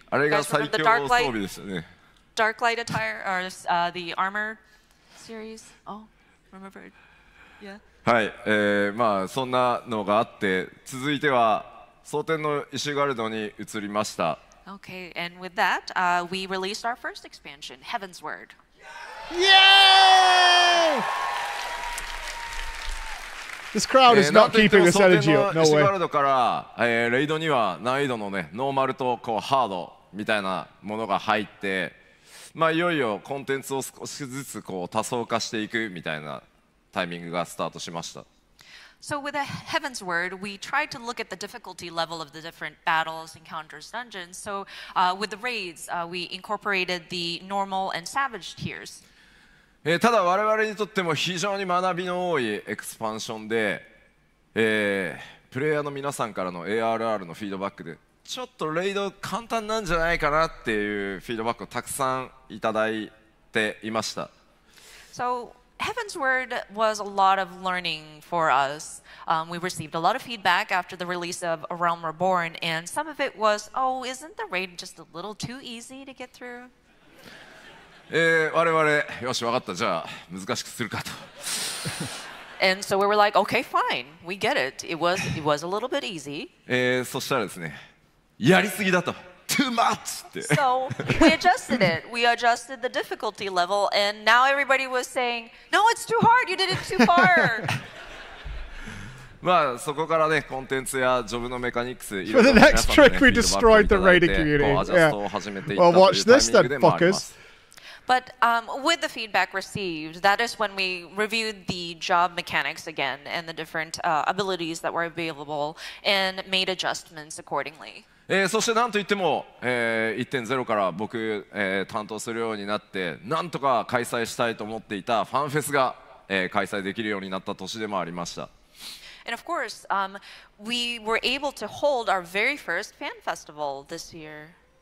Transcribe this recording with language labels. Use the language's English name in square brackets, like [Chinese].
[Japanese] あれが最強装備でしたね。 [English] Dark Light Attire, or the Armor series. Oh, remembered. Yeah. [Japanese] はい、まあそんなのがあって、続いては蒼天の石ガルドに移りました。 [English] Okay, and with that, we released our first expansion, Heaven's Word. Yay! This crowd is not keeping this energy up. No way. [Japanese] 蒼天の石ガルドから、レイドには難易度のね、ノーマルとこうハードみたいなものが入って。まあ、いよいよコンテンツを少しずつこう多層化していくみたいなタイミングがスタートしました。 [English] So with a Heaven's Word, we tried to look at the difficulty level of the different battles, encounters, dungeons. So, with the raids, we incorporated the normal and savage tiers. [Japanese] ただ我々にとっても非常に学びの多いエクスパンションで、プレイヤーの皆さんからの ARR のフィードバックで。ちょっとレイド簡単なんじゃないかなっていうフィードバックをたくさんいただいていました。 [English] So, Heaven's Word was a lot of learning for us. We received a lot of feedback after the release of A Realm Reborn, and some of it was, oh, isn't the raid just a little too easy to get through? [Japanese] 我々、よし、わかった、じゃあ難しくするかと。 [English] And so we were like, okay, fine, we get it. It was a little bit easy. [Japanese] そしたらですね。やりすぎだと、 [English] too much [Japanese] って。 [English] So we adjusted it. We adjusted the difficulty level, and now everybody was saying, "No, it's too hard. You did it too far." [Japanese] まあそこからね、コンテンツやジョブのメカニクス、 [English] For the next trick, we destroyed the raiding community. Well, watch this, then, fuckers. But with the feedback received, that is when we reviewed the job mechanics again and the different abilities that were available and made adjustments accordingly. [Japanese] そしてなんといっても、1.0 から僕、担当するようになってなんとか開催したいと思っていたファンフェスが、開催できるようになった年でもありました。 [English] And of course, we were able to hold our very first fan festival this year.